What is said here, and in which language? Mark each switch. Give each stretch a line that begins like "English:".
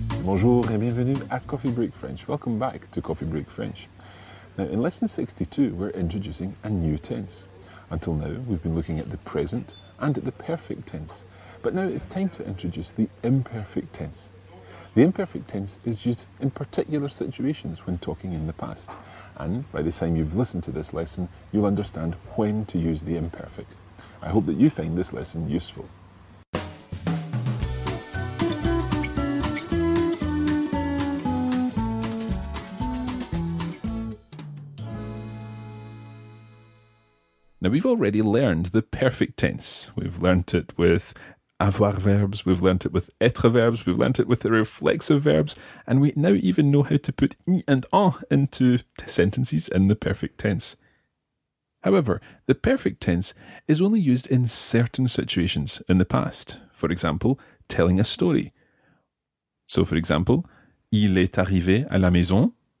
French: Bonjour et bienvenue à Coffee Break French.
English: Welcome back to Coffee Break French. Now, in lesson 62, we're introducing a new tense. Until now, we've been looking at the present and at the perfect tense. But now it's time to introduce the imperfect tense. The imperfect tense is used in particular situations when talking in the past. And by the time you've listened to this lesson, you'll understand when to use the imperfect. I hope that you find this lesson useful. Now, we've already learned the perfect tense. We've learned it with avoir verbs, we've learned it with être verbs, we've learned it with the reflexive verbs, and we now even know how to put I and en into sentences in the perfect tense. However, the perfect tense is only used in certain situations in the past. For example, telling a story. So, for example,
French: il est arrivé à la maison.